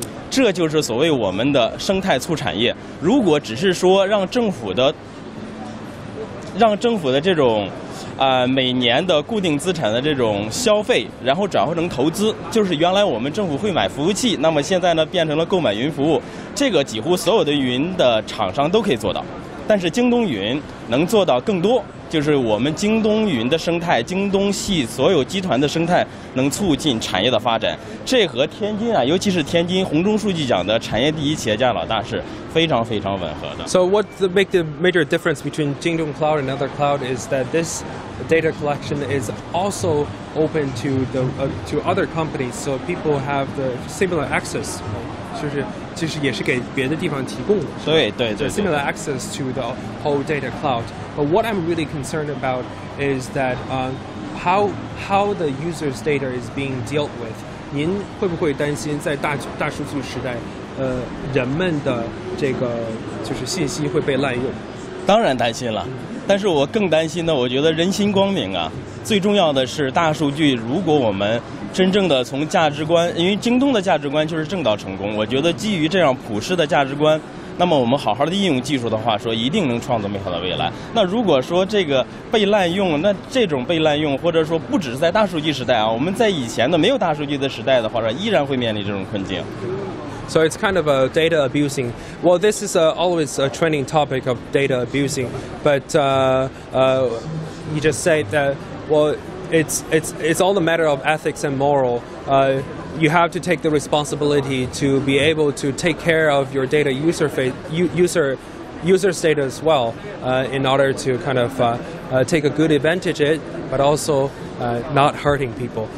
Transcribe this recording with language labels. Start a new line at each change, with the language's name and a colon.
Chinese: 这就是所谓我们的生态促产业。如果只是说让政府的这种每年的固定资产的这种消费然后转换成投资，就是原来我们政府会买服务器，那么现在呢变成了购买云服务，这个几乎所有的云的厂商都可以做到，但是京东云能做到更多，就是我们京东云的生态，京东系所有集团的生态能促进产业的发展。这和天津啊，尤其是天津洪忠书记讲的产业第一企业家老大是非常非常吻合的。
English: So what's the make the major difference between Jingdong Cloud and other cloud is that this data collection is also open to the to other companies, so people have the similar access,
Chinese: 就是其实也是给别的地方提供的，对
English: similar access to the whole data cloud. But what I'm really concerned about is that how the user's data is being dealt with.
Chinese: 您会不会担心在大数据时代，人们的这个就是信息会被滥用？当然担心了，但是我更担心的，我觉得人心光明啊，最重要的是大数据，如果我们真正的从价值观，因为京东的价值观就是正道成功，我觉得基于这样普世的价值观，那么我们好好的应用技术的话，说一定能创造美好的未来。那如果说这个被滥用，那这种被滥用或者说不只是在大数据时代啊，我们在以前的没有大数据的时代的话，依然会面临这种困境。
English: So it's kind of a data abusing. Well, this is always a trending topic of data abusing. But you just say that, well, it's all a matter of ethics and moral. You have to take the responsibility to be able to take care of your data user's data as well, in order to kind of take a good advantage of it, but also not hurting people.